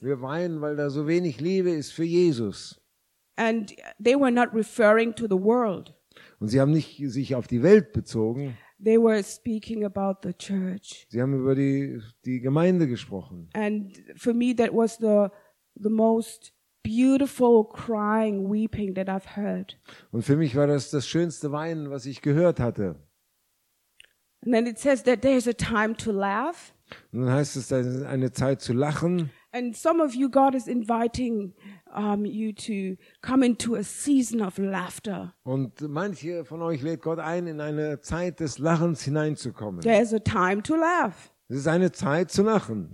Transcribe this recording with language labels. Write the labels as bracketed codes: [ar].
[de] Wir weinen, weil da so wenig Liebe ist für Jesus. [en] And they were not referring to the world. [de] Und sie haben nicht sich auf die Welt bezogen. [en] They were speaking about the church. [de] Sie haben über die Gemeinde gesprochen. [en] And for me that was the most beautiful crying weeping that I've heard. [de] Und für mich war das schönste Weinen, was ich gehört hatte. [en] And then it says that there's a time to laugh. [de] Und dann heißt es, da ist eine Zeit zu lachen. [en] And some of you God is inviting you to come into a season of laughter. [de] Und manche von euch lädt Gott ein, in eine Zeit des Lachens hineinzukommen. [en] There is a time to laugh. [de] Es ist eine Zeit zu lachen.